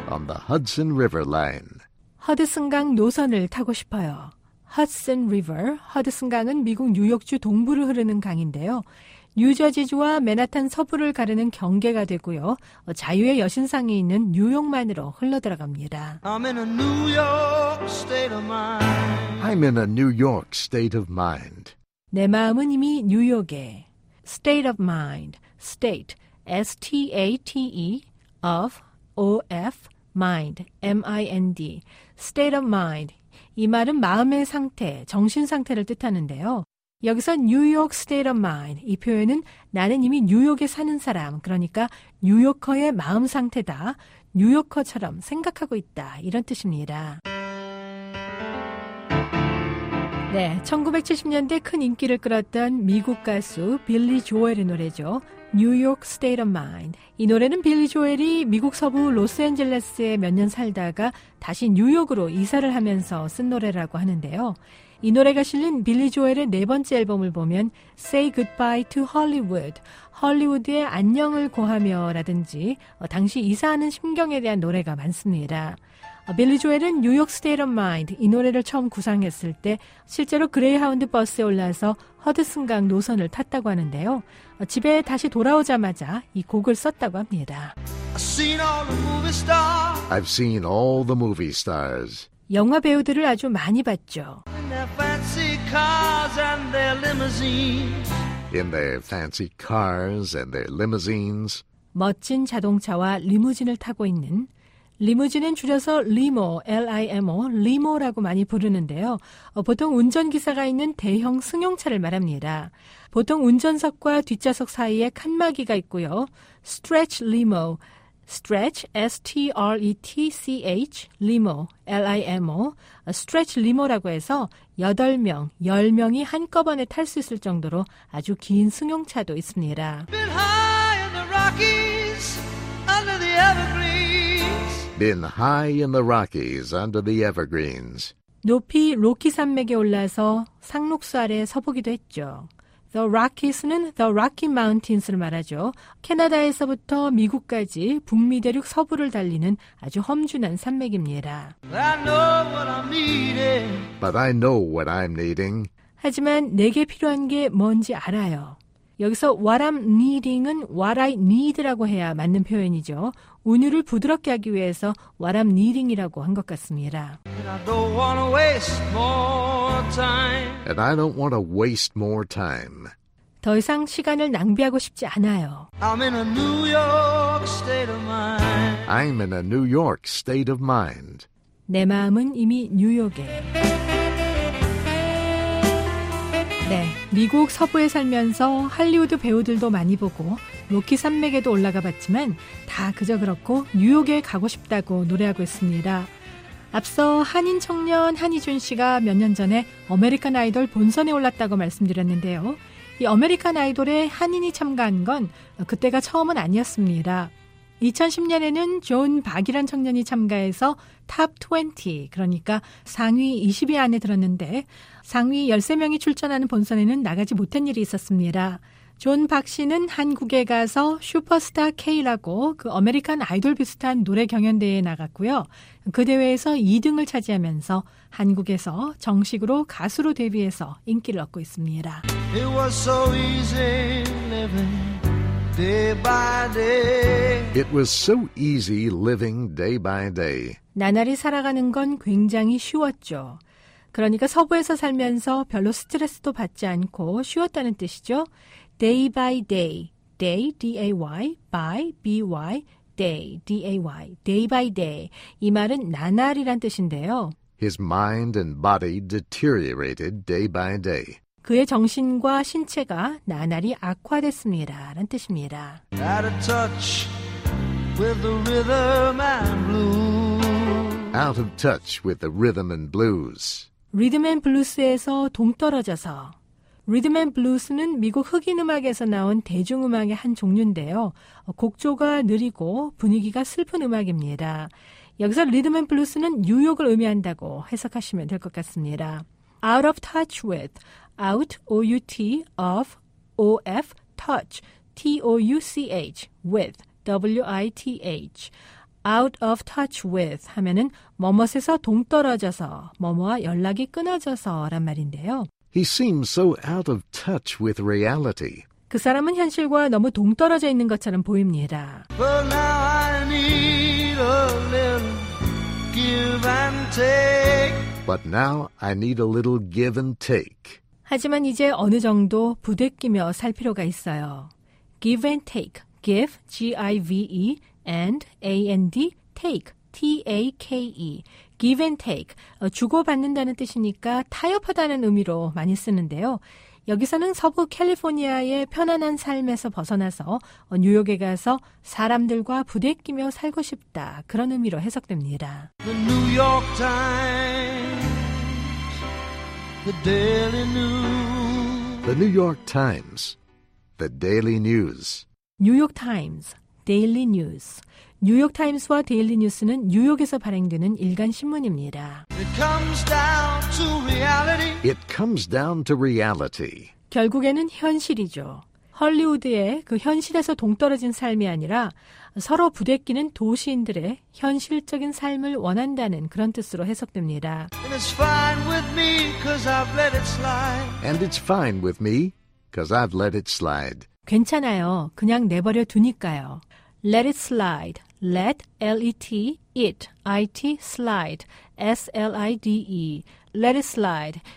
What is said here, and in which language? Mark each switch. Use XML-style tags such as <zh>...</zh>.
<en>On the Hudson River Line.</en> <ko>허드슨강 노선을 타고 싶어요. Hudson River, 허드슨강은 미국 뉴욕주 동부를 흐르는 강인데요. 뉴저지주와 맨하탄 서부를 가르는 경계가 되고요. 자유의 여신상이 있는 뉴욕만으로 흘러들어갑니다.</ko> <en>I'm in a New York state of mind. I'm in a New York state of mind.</en> <ko>내 마음은 이미 뉴욕에.</ko> <en>State of mind. State. S-T-A-T-E. Of. O-F. Mind. M-I-N-D. State of mind.</en> <ko>이 말은 마음의 상태, 정신 상태를 뜻하는데요. 여기서</ko> <en>New York state of mind.</en> <ko>이 표현은 나는 이미 뉴욕에 사는 사람, 그러니까 뉴요커의 마음 상태다. 뉴요커처럼 생각하고 있다. 이런 뜻입니다. 네, 1970년대 큰 인기를 끌었던 미국 가수 빌리 조엘의 노래죠.</ko> <en>New York State of Mind.</en> <ko>이 노래는 빌리 조엘이 미국 서부 로스앤젤레스에 몇 년 살다가 다시 뉴욕으로 이사를 하면서 쓴 노래라고 하는데요. 이 노래가 실린 빌리 조엘의 네 번째 앨범을 보면 Say Goodbye to Hollywood, 할리우드의 안녕을 고하며라든지 당시 이사하는 심경에 대한 노래가 많습니다. 빌리 조엘은 New York State of Mind 이 노래를 처음 구상했을 때 실제로 그레이하운드 버스에 올라서 허드슨강 노선을 탔다고 하는데요. 집에 다시 돌아오자마자 이 곡을 썼다고 합니다.</ko> <en>I've seen all the movie stars. I've seen all the movie stars.</en> <ko>영화 배우들을 아주 많이 봤죠.</ko> <en>In their fancy cars and their limousines. In their fancy cars and their limousines.</en> <ko>멋진 자동차와 리무진을 타고 있는 리무진은 줄여서 리모, L-I-M-O, 리모라고 많이 부르는데요. 보통 운전기사가 있는 대형 승용차를 말합니다. 보통 운전석과 뒷좌석 사이에 칸막이가 있고요.</ko> <en>Stretch limo, stretch, S-T-R-E-T-C-H, limo, L-I-M-O, stretch limo</en> <ko>라고 해서 8명, 10명이 한꺼번에 탈 수 있을 정도로 아주 긴 승용차도 있습니다.</ko> <en>Been high in the Rockies, under the evergreen. Been high in the Rockies under the evergreens.</en> <ko>높이 로키 산맥에 올라서 상록수 아래 서보기도 했죠. The Rockies는 The Rocky Mountains를 말하죠. 캐나다에서부터 미국까지 북미 대륙 서부를 달리는 아주 험준한 산맥입니다.</ko> <en>I know what I'm needing. But I know what I'm needing.</en> <ko>하지만 내게 필요한 게 뭔지 알아요. 여기서</ko> <en>what I'm needing</en> <ko>은</ko> <en>what I need</en> <ko>라고 해야 맞는 표현이죠. 운율을 부드럽게 하기 위해서</ko> <en>what I'm needing</en> <ko>이라고 한 것 같습니다.</ko> <en>And I don't want to waste more time. And I don't want to waste more time.</en> <ko>더 이상 시간을 낭비하고 싶지 않아요.</ko> <en>I'm in a New York state of mind. I'm in a New York state of mind.</en> <ko>내 마음은 이미 뉴욕에. 네, 미국 서부에 살면서 할리우드 배우들도 많이 보고 로키 산맥에도 올라가 봤지만 다 그저 그렇고 뉴욕에 가고 싶다고 노래하고 있습니다. 앞서 한인 청년 한희준 씨가 몇 년 전에 아메리칸 아이돌 본선에 올랐다고 말씀드렸는데요. 이 아메리칸 아이돌에 한인이 참가한 건 그때가 처음은 아니었습니다. 2010년에는 존 박이란 청년이 참가해서 탑 20, 그러니까 상위 20위 안에 들었는데 상위 13명이 출전하는 본선에는 나가지 못한 일이 있었습니다. 존 박 씨는 한국에 가서 슈퍼스타 K라고 그 아메리칸 아이돌 비슷한 노래 경연대회에 나갔고요. 그 대회에서 2등을 차지하면서 한국에서 정식으로 가수로 데뷔해서 인기를 얻고 있습니다.</ko> <en>It was so easy living day by day. It was so easy living day by day.</en> <ko>나날이 살아가는 건 굉장히 쉬웠죠. 그러니까 서부에서 살면서 별로 스트레스도 받지 않고 쉬웠다는 뜻이죠.</ko> <en>Day by day, day, D-A-Y, by, B-Y, day, D-A-Y, day by day.</en> <ko>이 말은 나날이란 뜻인데요.</ko> <en>His mind and body deteriorated day by day.</en> <ko>그의 정신과 신체가 나날이 악화됐습니다. 라는 뜻입니다.</ko> <en>Out of touch with the rhythm and blues. Out of touch with the rhythm and blues.</en> <ko>리듬 앤 블루스에서 동떨어져서. 리듬 앤 블루스는 미국 흑인 음악에서 나온 대중음악의 한 종류인데요. 곡조가 느리고 분위기가 슬픈 음악입니다. 여기서 리듬 앤 블루스는 뉴욕을 의미한다고 해석하시면 될 것 같습니다.</ko> <en>Out of touch with, out, O-U-T, of, O-F, touch, T-O-U-C-H, with, W-I-T-H. Out of touch with</en> <ko>하면은 뭐뭇에서 동떨어져서, 뭐뭇와 연락이 끊어져서란 말인데요.</ko> <en>He seems so out of touch with reality.</en> <ko>그 사람은 현실과 너무 동떨어져 있는 것처럼 보입니다.</ko> <en>Well, now I need a little give and take. But now I need a little give and take.</en> <ko>하지만 이제 어느 정도 부대끼며 살 필요가 있어요.</ko> <en>Give and take. Give, G-I-V-E, and, A-N-D, take, T-A-K-E. Give and take.</en> <ko>주고받는다는 뜻이니까 타협하다는 의미로 많이 쓰는데요. 여기서는 서부 캘리포니아의 편안한 삶에서 벗어나서 뉴욕에 가서 사람들과 부대끼며 살고 싶다. 그런 의미로 해석됩니다.</ko> <en>The New York Times. The Daily News. The New York Times. The Daily News. New York Times. Daily News.</en> <ko>뉴욕타임스와 데일리 뉴스는 뉴욕에서 발행되는 일간 신문입니다.</ko> <en>It comes down to reality. It comes down to reality.</en> <ko>결국에는 현실이죠. 헐리우드의 그 현실에서 동떨어진 삶이 아니라 서로 부대끼는 도시인들의 현실적인 삶을 원한다는 그런 뜻으로 해석됩니다.</ko> <en>And it's fine with me 'cause I've let it slide. And it's fine with me 'cause I've let it slide.</en> <ko>괜찮아요. 그냥 내버려 두니까요.</ko> <en>Let it slide. Let, L-E-T, it, I-T, slide, S-L-I-D-E. Let it slide.</en>